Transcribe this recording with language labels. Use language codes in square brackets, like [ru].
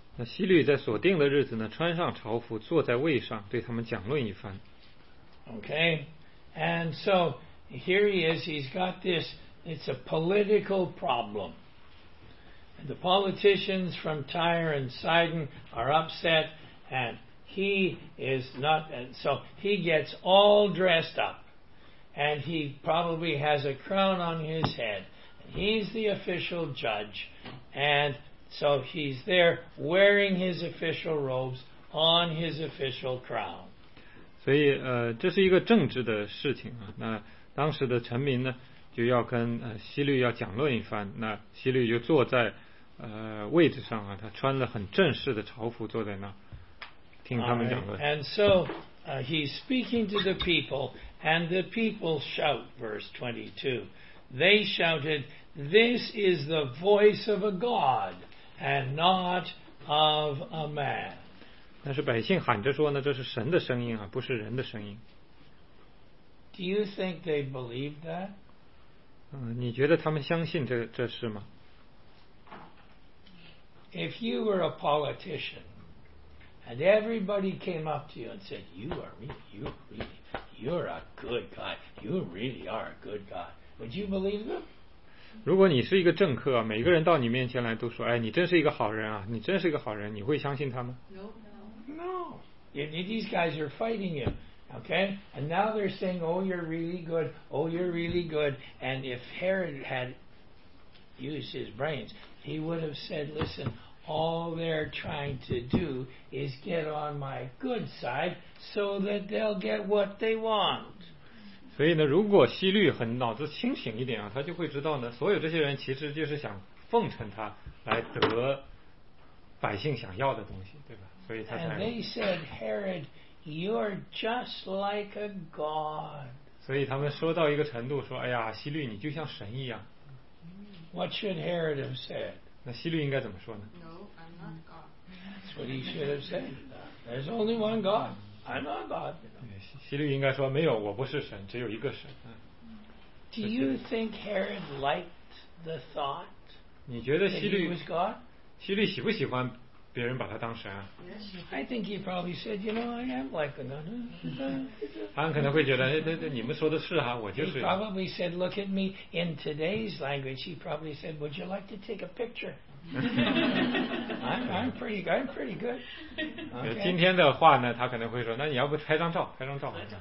[zh] 那希律在所定的日子呢，穿上朝服，坐在位上，对他们讲论一番。 [en] Okay, and so here he is. He's got this. It's a political problem. The politicians from Tyre and Sidon are upset, and he is not. And so he gets all dressed up. And he probably has a crown on his head. He's the official judge. And so he's there wearing his official robes on his official crown. [zh] 所以这是一个政治的事情啊。那当时的臣民呢就要跟希律要讲论一番。那希律就坐在位置上啊，他穿了很正式的朝服坐在那听他们讲论。 [en] Right. And so he's speaking to the people, and the people shout, verse 22. They shouted, "This is the voice of a God, and not of a man." [zh] 那是百姓喊着说呢，这是神的声音啊，不是人的声音。 [en] Do you think they believe that? [zh] 你觉得他们相信这是吗？ [en] If you were a politician, and everybody came up to you and said, you're a good guy. You really are a good guy. Would you believe them? [zh] 如果你是一个政客，每个人到你面前来都说，哎，你真是一个好人啊，你真是一个好人，你会相信他吗？ [en] No. These guys are fighting you, okay? And now they're saying, oh, you're really good. Oh, you're really good. And if Herod had used his brains, he would have said, listen, all they're trying to do is get on my good side so that they'll get what they want. [zh] 所以呢，如果希律很脑子清醒一点啊，他就会知道呢，所有这些人其实就是想奉承他来得百姓想要的东西，对吧？所以他才。 [en] And they said, Herod, you're just like a god. [zh] 所以他们说到一个程度，说哎呀，希律你就像神一样。 [en] What should Herod have said? [zh] 那希律应该怎么说呢？ [en] No, I'm not God. That's what he should have said. There's only one God. I'm not God. [zh] 希律应该说没有，我不是神，只有一个神。 [en] Do you think Herod liked the thought? [zh] 你觉得希律 [en] was God? [zh] 希律喜不喜欢别人把他当神啊？ [en] I think he probably said, you know, I am like another. [zh] 他可能会觉得，你们说的是哈，我就是。 [en] He probably said, look at me in today's language. He probably said, would you like to take a picture? I'm pretty good. [zh] 今天的话呢，他可能会说，那你要不拍张照，拍张照。